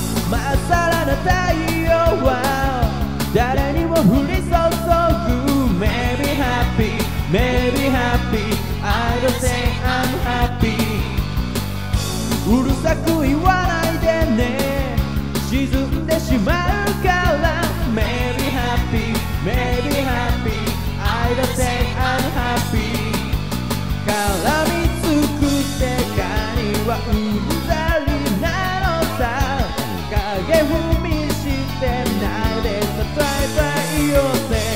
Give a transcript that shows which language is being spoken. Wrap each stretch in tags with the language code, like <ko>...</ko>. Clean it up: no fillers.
<ja>まっさらな太陽は誰にも降り注ぐ。</ja> <en>Maybe happy, maybe happy, I don't say I'm happy。</en> <ja>うるさく言わないでね、沈んでしまうから。</ja> <en>Maybe happy, maybe happy, I don't say I'm happy。</en> <ja>絡みつく世界にはうんざりなのさ、影踏みしてないでさ、トライトライよね。</ja>